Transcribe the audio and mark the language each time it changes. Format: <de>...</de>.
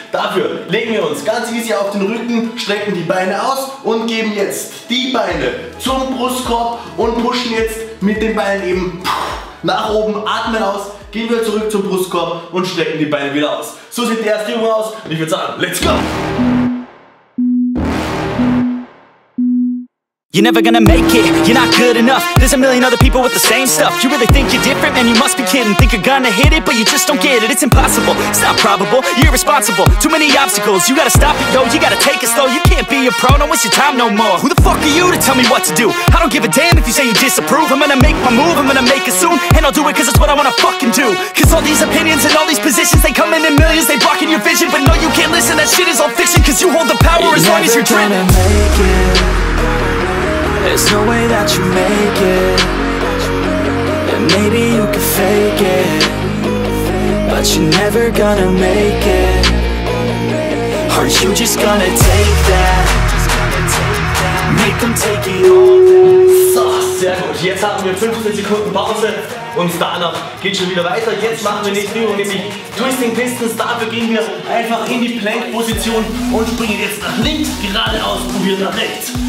<de>Dafür legen wir uns ganz easy auf den Rücken, strecken die Beine aus und geben jetzt die Beine zum Brustkorb und pushen jetzt mit den Beinen eben nach oben, atmen aus, gehen wir zurück zum Brustkorb und strecken die Beine wieder aus. So sieht die erste Übung aus und ich würde sagen,</de> <en>let's go! You're never gonna make it, you're not good enough. There's a million other people with the same stuff. You really think you're different, man, you must be kidding. Think you're gonna hit it, but you just don't get it. It's impossible, it's not probable, you're irresponsible. Too many obstacles, you gotta stop it, yo. You gotta take it slow, you can't be a pro. No, it's your time no more. Who the fuck are you to tell me what to do? I don't give a damn if you say you disapprove. I'm gonna make my move, I'm gonna make it soon. And I'll do it cause it's what I wanna fucking do. Cause all these opinions and all these positions, they come in millions, they blocking your vision. But no, you can't listen, that shit is all fiction. Cause you hold the power as long as you're dreaming. You're never gonna make it. There's no way that you make it. And maybe you can fake it, but you're never gonna make it. Are you just gonna take that? Make them take it all back.</en> <de>So, sehr gut. Jetzt haben wir 15 Sekunden Pause und danach geht schon wieder weiter. Jetzt machen wir nicht mehr, nämlich Twisting Pistons. Dafür gehen wir einfach in die Plank-Position und springen jetzt nach links, geradeaus, probieren nach rechts.</de>